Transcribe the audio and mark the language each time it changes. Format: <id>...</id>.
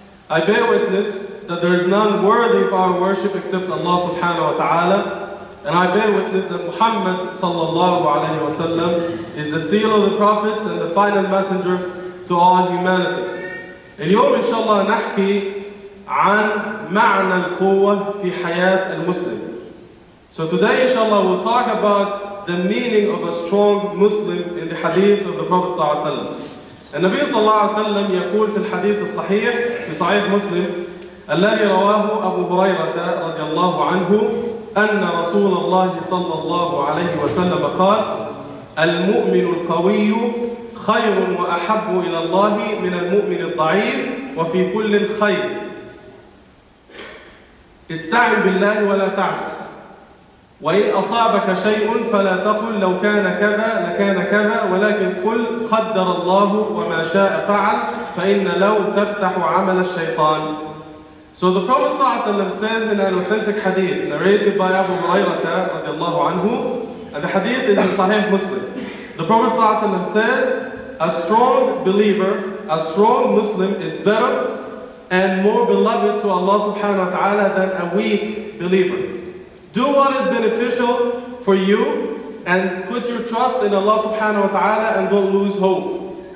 <en>I bear witness that there is none worthy of our worship except Allah subhanahu wa ta'ala and I bear witness that Muhammad صلى الله عليه وسلم is the seal of the prophets and the final messenger to all humanity</en> <ar>اليوم إن شاء الله نحكي عن معنى القوة في حياة المسلم.</ar> <en>So today inshallah we'll talk about the meaning of a strong Muslim in the hadith of the Prophet صلى الله عليه وسلم.</en> <ar>النبي صلى الله عليه وسلم يقول في الحديث الصحيح في صحيح مسلم الذي رواه أبو هريرة رضي الله عنه أن رسول الله صلى الله عليه وسلم قال المؤمن القوي خير وأحب إلى الله من المؤمن الضعيف وفي كل خير استعن بالله ولا تعجز وإن أصابك شيء فلا تقل لو كان كذا لكان كذا ولكن قل قدر الله وما شاء فعل فإن لو تفتح عمل الشيطان</ar> <en>So the Prophet صلى الله عليه وسلم says in an authentic hadith narrated by Abu Hurairah رضي الله عنه and the hadith is in Sahih Muslim. The Prophet صلى الله عليه وسلم says A strong believer, a strong Muslim is better and more beloved to Allah subhanahu wa ta'ala than a weak believer. Do what is beneficial for you and put your trust in Allah subhanahu wa ta'ala and don't lose hope.</en>